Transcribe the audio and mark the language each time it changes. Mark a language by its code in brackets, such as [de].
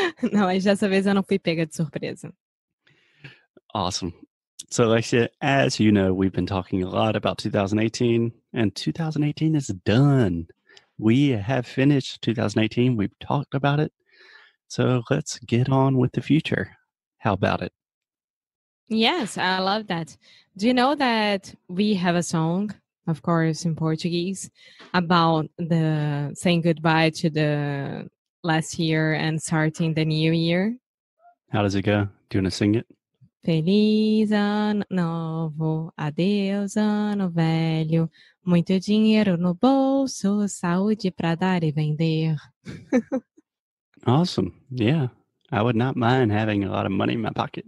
[pt] Não, mas dessa vez eu não fui pega de surpresa. [en] Awesome. So Alexia, as you know, we've been talking a lot about 2018, and 2018 is done. We have finished 2018, we've talked about it. So let's get on with the future. How about it? Yes, I love that. Do you know that we have a song, of course, in Portuguese, about the saying goodbye to the last year and starting the new year? How does it go? Do you want to sing it? [pt] Feliz ano novo, adeus ano velho, muito dinheiro no bolso, saúde para dar e vender. [en] Awesome. Yeah. I would not mind having a lot of money in my pocket.